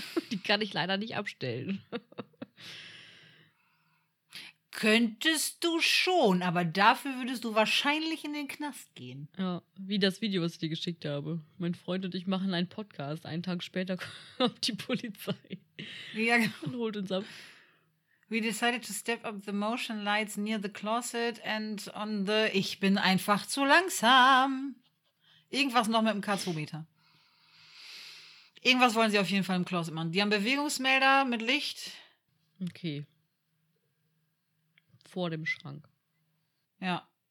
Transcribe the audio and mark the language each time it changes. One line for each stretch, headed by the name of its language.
German: Die kann ich leider nicht abstellen. Könntest du schon, aber dafür würdest du wahrscheinlich in den Knast gehen. Ja, wie das Video, was ich dir geschickt habe. Mein Freund und ich machen einen Podcast. Einen Tag später kommt die Polizei ja, genau. Und holt uns ab.
English: We decided to step up the motion lights near the closet and on the...
German: Ich bin einfach zu langsam. Irgendwas noch mit dem K2-Meter. Irgendwas wollen sie auf jeden Fall im Closet machen. Die haben Bewegungsmelder mit Licht. Okay. Vor dem Schrank. Ja.